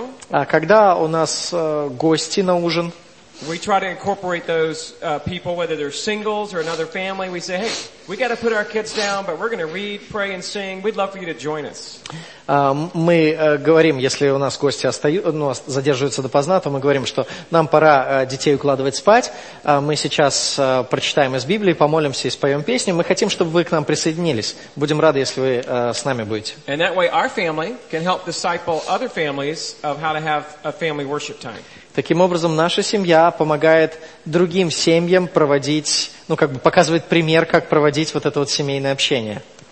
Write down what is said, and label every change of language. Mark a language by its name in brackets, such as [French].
[Russian] А когда у нас гости на ужин, [English] we try to incorporate those people, whether they're singles or another family. We say, hey, we got to put our kids down, but we're going to read, pray, and sing. We'd love for you to join us. [Russian] Мы говорим, если у нас гости задерживаются допоздна, то мы говорим, что нам пора детей укладывать спать. Мы сейчас прочитаем из Библии, помолимся и споем песню. Мы хотим, чтобы вы к нам присоединились. Будем рады, если вы с нами будете. [English] And that way our family can help disciple other families of how to have a family worship time. [Russian] Таким образом, наша семья помогает другим семьям проводить, ну, как бы показывает пример, как проводить вот это вот семейное общение.